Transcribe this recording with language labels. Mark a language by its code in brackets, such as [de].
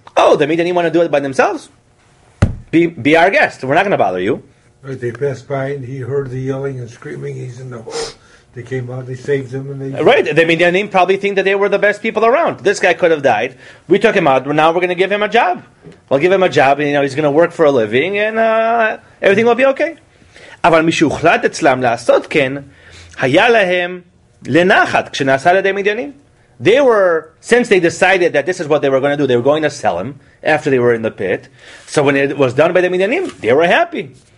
[en] Oh, they mean they want to do it by themselves? Be our guest. We're not going to bother you. Right, they passed by and he heard the yelling and screaming. He's in the hole. They came out, they saved him. Right, they mean they probably think that they were the best people around. This guy could have died. We took him out. Now we're going to give him a job. We'll give him a job. And, you know, he's going to work for a living and... everything will be okay. [he] אבל משהוחלט אצלם לעשות כן, היה להם לנחת כשנעשה לידי מדיינים. [en] They were, since they decided that this is what they were going to do, they were going to sell him after they were in the pit. So when it was done by the מדיינים, they were happy.